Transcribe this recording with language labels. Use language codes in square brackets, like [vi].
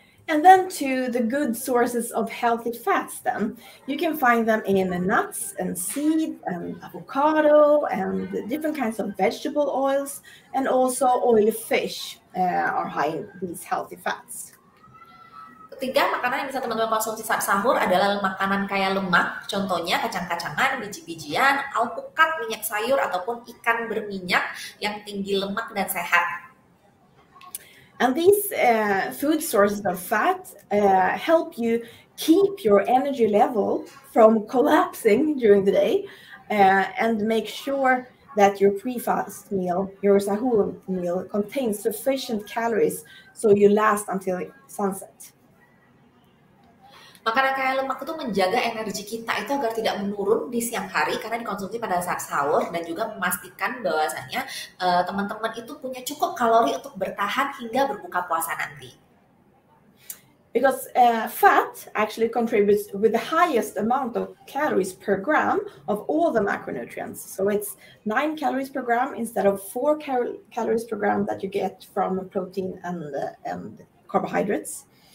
[en] And then to the good sources of healthy fats then, you can find them in the nuts and seeds and avocado and different kinds of vegetable oils, and also oily fish are high in these healthy fats. [id] Ketiga makanan yang bisa teman-teman konsumsi saat sahur adalah makanan kaya lemak, contohnya kacang-kacangan, biji-bijian, alpukat, minyak sayur, ataupun ikan berminyak yang tinggi lemak dan sehat. [en] And these food sources of fat help you keep your energy level from collapsing during the day and make sure that your pre-fast meal, your sahur meal, contains sufficient calories so you last until sunset. [id] Makanan kaya lemak itu menjaga energi kita itu agar tidak menurun di siang hari karena dikonsumsi pada saat sahur, dan juga memastikan bahwasannya teman-teman itu punya cukup kalori untuk bertahan hingga berbuka puasa nanti. [en] Because fat actually contributes with the highest amount of calories per gram of all the macronutrients. So it's 9 calories per gram instead of 4 calories per gram that you get from protein and carbohydrates.